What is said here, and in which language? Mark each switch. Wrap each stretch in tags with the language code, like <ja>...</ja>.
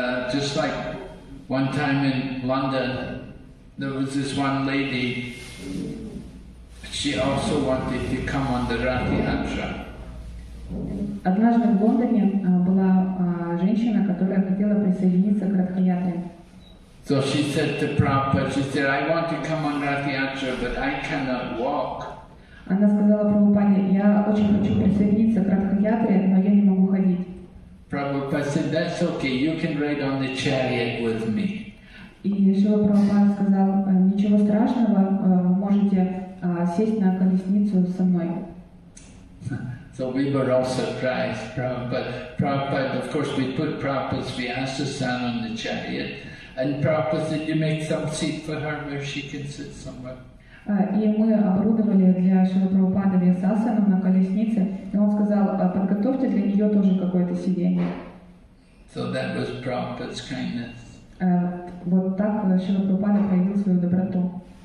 <en>Just like one time in London, there was this one lady, she also wanted to come on the Ratha Yatra.</en> <ru>Однажды в Лондоне была женщина, которая хотела присоединиться к Ратха Ятре.</ru> <en>So she said to Prabhupada, she said, I want to come on Ratha Yatra, but I cannot walk.</en> <ru>Она сказала Прабхупаде, я очень хочу присоединиться к Ратха Ятре, но я не могу ходить.</ru> <en>Prabhupada said, that's okay, you can ride on the chariot with me.</en> <ru>И Шрила Прабхупада сказал, ничего страшного, можете сесть на колесницу со мной.</ru> <en>So we were all surprised, Prabhupada, of course we put Prabhupada's Vyasa-san on the chariot. And Prabhupada said, you make some seat for her where she can sit somewhere.</en> <ru>И мы оборудовали для Шрила Прабхупады Вьясасану на колеснице, и он сказал, подготовьте для нее тоже какое-то сиденье.</ru> <en>So that was Prabhupada's kindness.</en> <ru>Вот так Шрила Прабхупада проявил свою доброту.</ru>